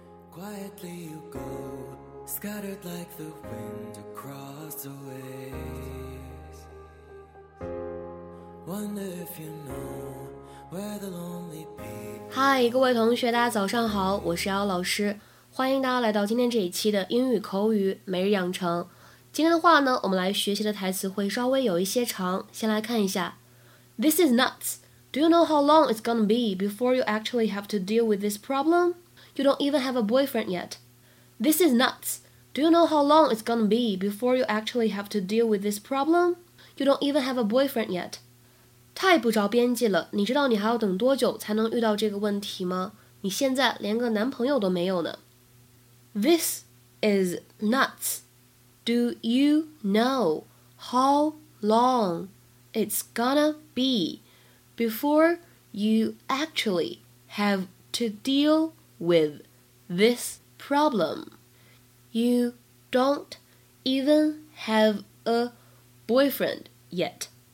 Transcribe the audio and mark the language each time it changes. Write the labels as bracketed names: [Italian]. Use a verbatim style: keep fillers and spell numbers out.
[English] Quietly you go, scattered like the wind across the waves. Wonder if you know where the lonely people. [Chinese] 嗨，各位同学，大家早上好，我是姚老师，欢迎大家来到今天这一期的英语口语每日养成。今天的话呢，我们来学习的台词会稍微有一些长，先来看一下。 [English] This is nuts. Do you know how long it's gonna be before you actually have to deal with this problem? You don't even have a boyfriend yet. This is nuts. Do you know how long it's gonna be before you actually have to deal with this problem? You don't even have a boyfriend yet. [Chinese] 太不着边际了，你知道你还要等多久才能遇到这个问题吗？你现在连个男朋友都没有呢。 [English] This is nuts. Do you know how long it's gonna be before you actually have to deal with this problem? You don't even have a boyfriend yet.